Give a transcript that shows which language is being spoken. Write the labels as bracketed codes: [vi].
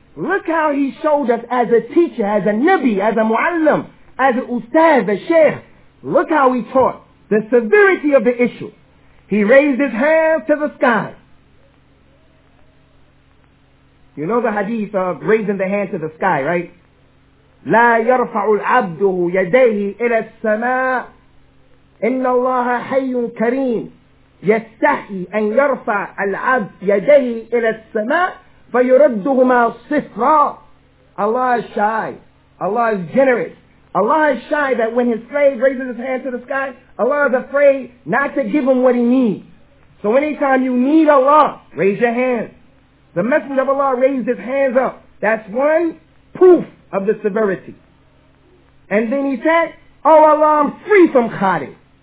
[en] Look how he showed us as a teacher, as a nabi, as a muallim, as an ustad, a sheikh. Look how he taught the severity of the issue. He raised his hands to the sky. You know the hadith of raising the hand to the sky, right? [ar] لا يرفع العبد يديه إلى السماء إن الله حي كريم يستحي أن يرفع العبد يديه إلى السماء فيردهما صفرا. [en] Allah is shy. Allah is generous. Allah is shy that when his slave raises his hand to the sky, Allah is afraid not to give him what he needs. So anytime you need Allah, raise your hand. The Messenger of Allah raised his hands up. That's one proof of the severity. And then he said, oh Allah, I'm free from Khalid.